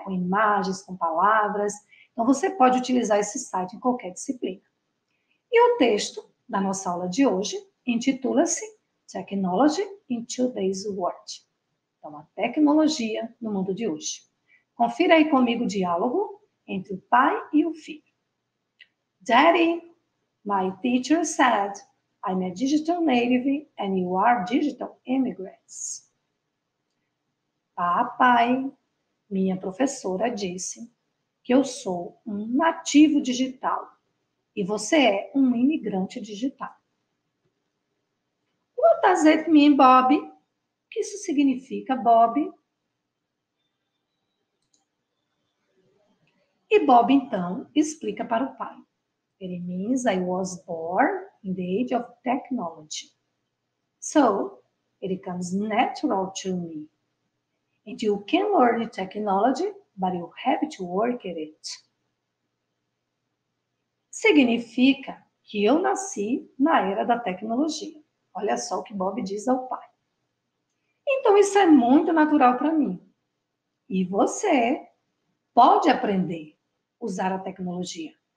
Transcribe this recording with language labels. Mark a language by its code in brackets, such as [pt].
[pt] Com imagens, com palavras. Então, você pode utilizar esse site em qualquer disciplina. E o texto da nossa aula de hoje intitula-se [en] Technology in Today's World. [pt] Então, a tecnologia no mundo de hoje. Confira aí comigo o diálogo entre o pai e o filho. [en] Daddy, my teacher said, I'm a digital native and you are digital immigrants. [pt] Papai, minha professora disse que eu sou um nativo digital e você é um imigrante digital. [en] What does it mean, Bob? [pt] O que isso significa, Bob? E Bob, então, explica para o pai. [en] It means I was born in the age of technology. So, it comes natural to me. And you can learn technology, but you have to work at it. [pt] Significa que eu nasci na era da tecnologia. Olha só o que Bob diz ao pai. Então, isso é muito natural para mim. E você pode aprender a usar a tecnologia.